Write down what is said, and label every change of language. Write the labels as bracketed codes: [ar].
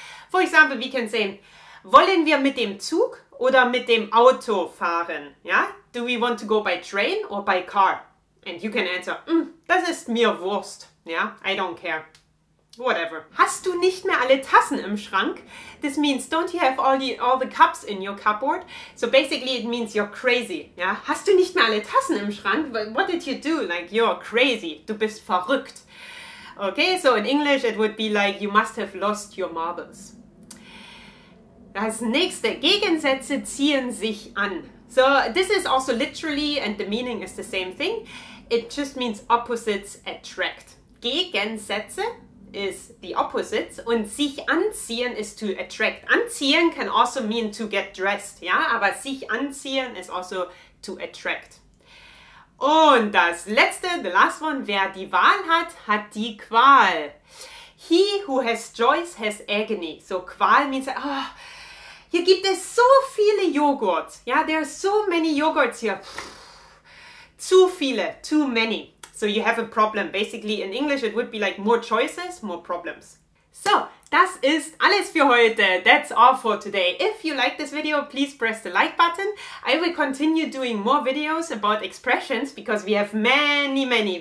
[en] For example, we can say, [de] wollen wir mit dem Zug oder mit dem Auto fahren? [en] Ja? Do we want to go by train or by car? And you can answer, [de] das ist mir Wurst. [en] Ja? I don't care. Whatever. [de] Hast du nicht mehr alle Tassen im Schrank? [en] This means, don't you have all the cups in your cupboard? So basically it means you're crazy. Yeah? [de] Hast du nicht mehr alle Tassen im Schrank? [en] What did you do? Like, you're crazy. [de] Du bist verrückt. [en] Okay, so in English it would be like, you must have lost your marbles. [de] Das nächste. Gegensätze ziehen sich an. [en] So this is also literally, and the meaning is the same thing. It just means opposites attract. Gegensätze is the opposite und sich anziehen is to attract. Anziehen can also mean to get dressed, ja, aber sich anziehen is also to attract. [de] Und das letzte, [en] the last one, [de] wer die Wahl hat, hat die Qual. [en] He who has choice has agony. So Qual means, [de] oh, hier gibt es so viele Joghurt. [en] Ja, there are so many yogurts here. [de] Zu viele, [en] too many. So you have a problem. Basically in English it would be like more choices, more problems. So, das [de] ist alles für heute. [en] That's all for today. If you like this video, please press the like button. I will continue doing more videos about expressions because we have many, many.